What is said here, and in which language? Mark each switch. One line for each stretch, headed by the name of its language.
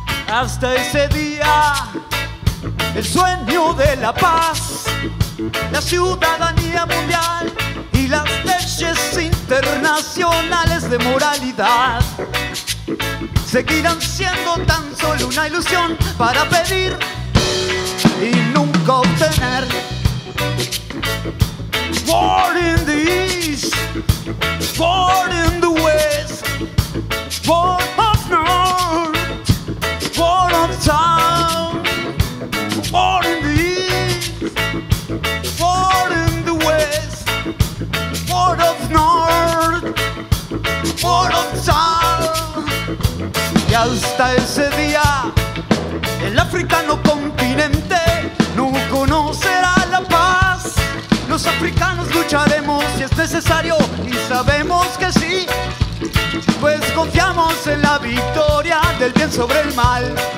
Spanish: Hasta ese día, el sueño de la paz, la ciudadanía mundial y las leyes internacionales de moralidad seguirán siendo tan solo una ilusión para pedir y nunca obtener.
English: War in the East, war in the West, war of North, war of Town, war in the East, war in the West, war of North, war of Town.
Spanish: Y hasta ese día, el africano continente no conocerá la paz. Los africanos lucharemos si es necesario, y sabemos que sí, pues confiamos en la victoria del bien sobre el mal.